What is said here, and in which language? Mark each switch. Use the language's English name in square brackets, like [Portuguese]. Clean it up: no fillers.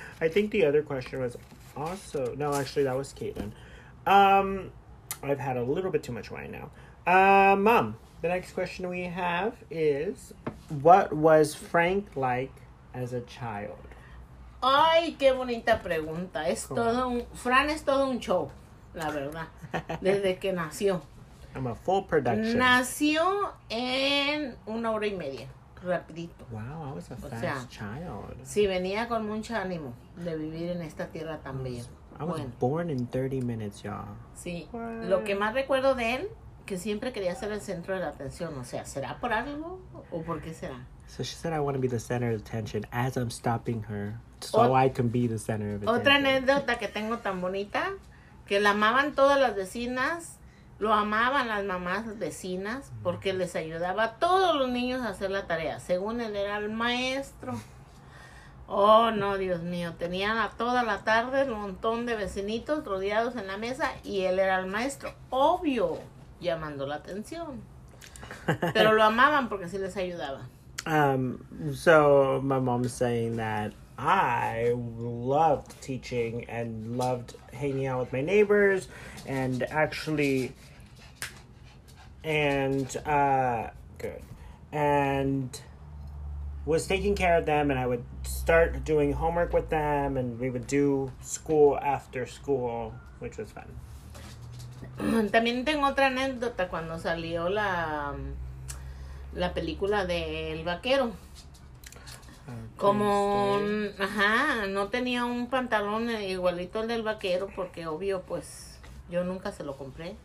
[English] I think the other question was also... No, actually, that was Caitlin. I've had a little bit too much wine now. Mom, the next question we have is, what was Frank like as a child? [Spanish] Ay, qué bonita pregunta. Es cool. Todo un, Fran es todo un show, la verdad, desde que nació. [English] I'm a full production. [Spanish] Nació en una hora y media. Rapidito. [English] Wow, I was a fast child. [Spanish] Sí, venía con mucho ánimo de vivir en esta tierra también. [English] I was born in 30 minutes, y'all. Sí. What? [Spanish] Lo que más recuerdo de él, que siempre quería ser el centro de la atención. O sea, ¿será por algo o por qué será? [English] So she said, I want to be the center of attention as I'm stopping her so I can be the center of attention. [Spanish] Otra anécdota que tengo tan bonita, que la amaban todas las vecinas. Lo amaban las mamás vecinas porque les ayudaba a todos los niños a hacer la tarea. Según él, era el maestro. Oh, no, Dios mío. Tenían a toda la tarde un montón de vecinitos rodeados en la mesa y él era el maestro. Obvio, llamando la atención. Pero lo amaban porque sí les ayudaba. [English] So, my mom's saying that I loved teaching and loved hanging out with my neighbors and actually... And, good. And was taking care of them, and I would start doing homework with them, and we would do school after school, which was fun. [Spanish] También tengo otra anécdota cuando salió la película de El Vaquero. Como, ajá, no tenía un pantalón igualito al del vaquero, porque obvio, pues, yo nunca se lo compré.